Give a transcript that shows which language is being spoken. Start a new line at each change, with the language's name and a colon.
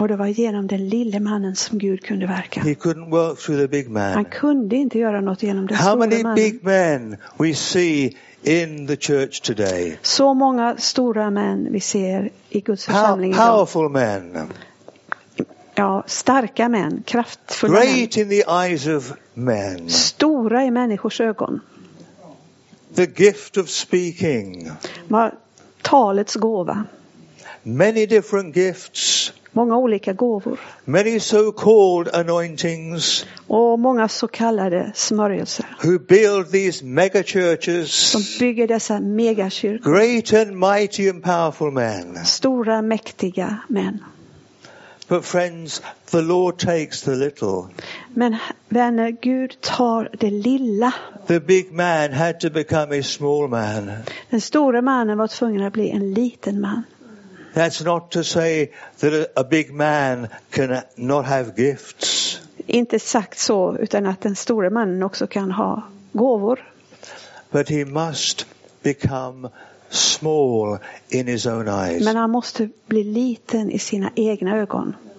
Swedish: Och det var genom den lille mannen som Gud kunde verka.
English: He couldn't work through the big man.
Swedish: Han kunde inte göra något genom den store mannen.
English: How many big men we see in the church today?
Swedish: Så många stora män vi ser i Guds församling idag.
English: Powerful men.
Swedish: Ja, starka män, kraftfulla.
English: Great in the eyes of men.
Swedish: Stora i människors ögon.
English: The gift of speaking.
Swedish: Talets gåva.
English: Many different gifts.
Swedish: Många olika gåvor.
English: Many so-called anointings.
Swedish: Och många så kallade smörjelser.
English: Who build these mega churches.
Swedish: Som bygger dessa mega kyrkor.
English: Great and mighty and powerful men.
Swedish: Stora mäktiga män.
English: But friends, the Lord takes the little.
Swedish: Men vänner, Gud tar det lilla.
English: The big man had to become a small man.
Swedish: Den stora mannen var tvungen att bli en liten man.
English: That's not to say that a big man can not have gifts.
Swedish: Inte sagt så, utan att den stora mannen också kan ha gåvor.
English: But he must become small in his own eyes.
Swedish: Men han måste bli liten i sina egna ögon.